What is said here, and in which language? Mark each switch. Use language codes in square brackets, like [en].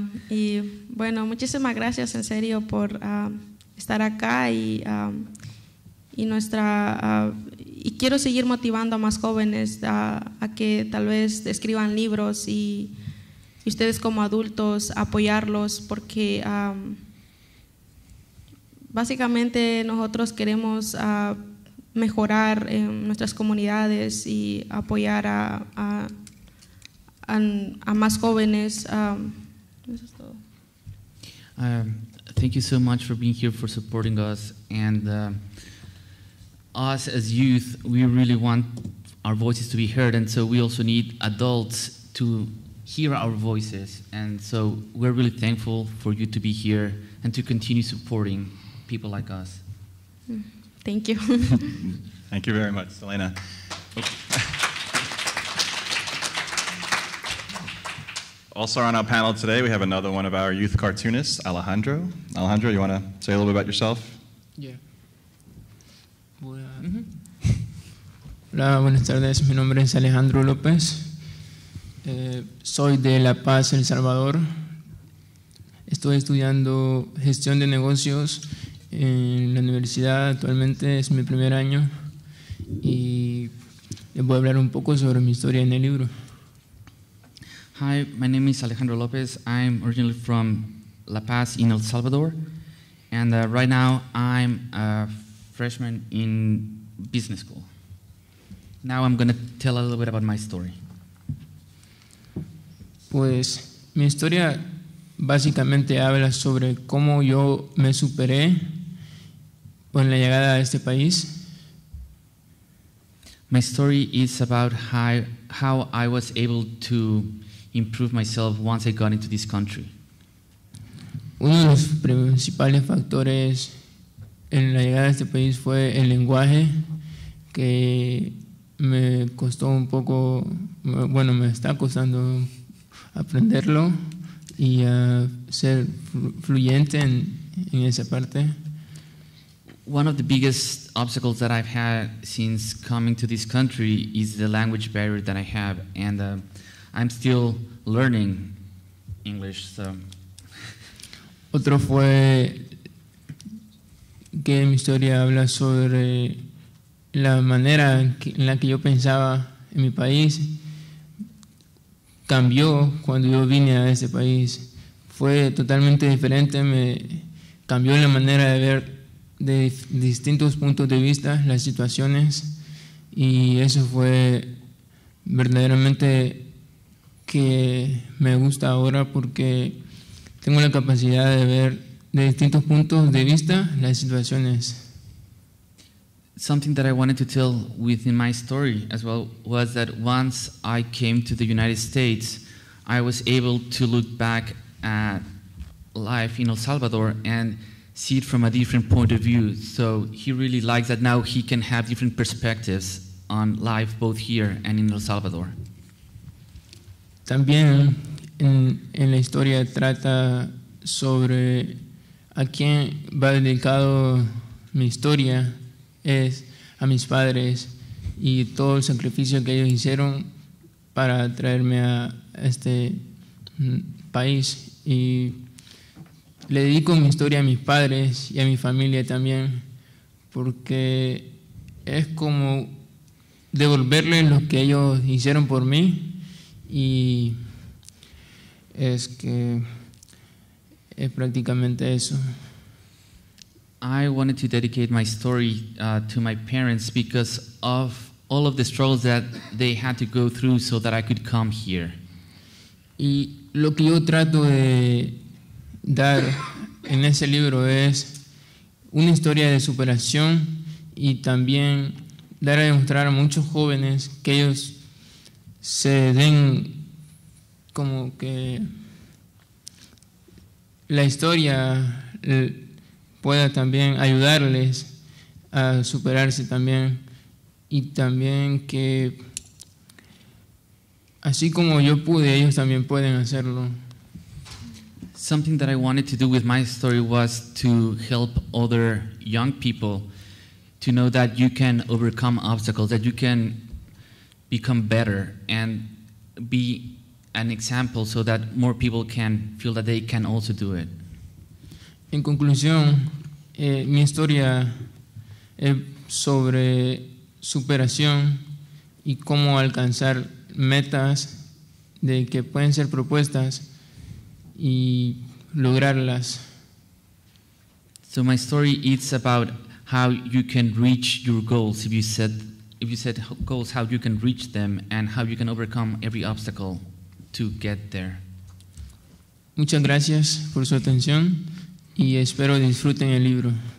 [es] Y bueno, muchísimas gracias en serio por estar acá y nuestra y quiero seguir motivando a más jóvenes a que tal vez escriban libros y ustedes como adultos apoyarlos porque básicamente nosotros queremos mejorar en nuestras comunidades y apoyar a más jóvenes. Eso es todo. [en] Thank you so much for being here, for supporting us and us as youth, we really want our voices to be heard, and so we also need adults to hear our voices. And so we're really thankful for you to be here and to continue supporting people like us. Thank you. Thank you very much, Selena. Also on our panel today, we have another one of our youth cartoonists, Alejandro. Alejandro, you want to say a little bit about yourself? [es] Yeah. Hola, buenas tardes. Mi nombre es Alejandro López. Soy de La Paz, El Salvador. Estoy estudiando gestión de negocios en la universidad. Actualmente es mi primer año. Y les voy a hablar un poco sobre mi historia en el libro. [en] Hi, my name is Alejandro López. I'm originally from La Paz in El Salvador. And right now I'm a freshman in business school. Now I'm going to tell a little bit about my story. [es] Pues, mi historia básicamente habla sobre cómo yo me superé con la llegada a este país. [en] My story is about how I was able to improve myself once I got into this country. [es] Uno de los principales factores en la llegada a este país fue el lenguaje que me costó un poco, bueno, me está costando aprenderlo y ser fluyente en esa parte. [en] One of the biggest obstacles that I've had since coming to this country is the language barrier that I have, and I'm still learning English, so. [es] Otro fue que mi historia habla sobre la manera en la que yo pensaba en mi país cambió cuando yo vine a ese país. Fue totalmente diferente, me cambió la manera de ver de distintos puntos de vista las situaciones y eso fue verdaderamente que me gusta ahora porque Tengo la capacidad de ver de distintos puntos de vista las situaciones. [en] Something that I wanted to tell within my story as well was that once I came to the United States, I was able to look back at life in El Salvador and see it from a different point of view. So he really likes that now he can have different perspectives on life both here and in El Salvador. [es] También en la historia trata sobre a quién va dedicado mi historia. Es a mis padres y todo el sacrificio que ellos hicieron para traerme a este país. Y le dedico mi historia a mis padres y a mi familia también, porque es como devolverles lo que ellos hicieron por mí. Y es que es prácticamente eso. [en] I wanted to dedicate my story to my parents because of all of the struggles that they had to go through so that I could come here. [es] Y lo que yo trato de dar en ese libro es una historia de superación y también dar a demostrar a muchos jóvenes que ellos se den como que la historia pueda también ayudarles a superarse también y también que así como yo pude ellos también pueden hacerlo. [en] Something that I wanted to do with my story was to help other young people to know that you can overcome obstacles, that you can become better and be an example so that more people can feel that they can also do it. [es] En conclusión, mi historia es sobre superación y cómo alcanzar metas de que pueden ser propuestas y lograrlas. [en] So my story is about how you can reach your goals. If you set goals, how you can reach them and how you can overcome every obstacle to get there. [es] Muchas gracias por su atención. Y espero disfruten el libro.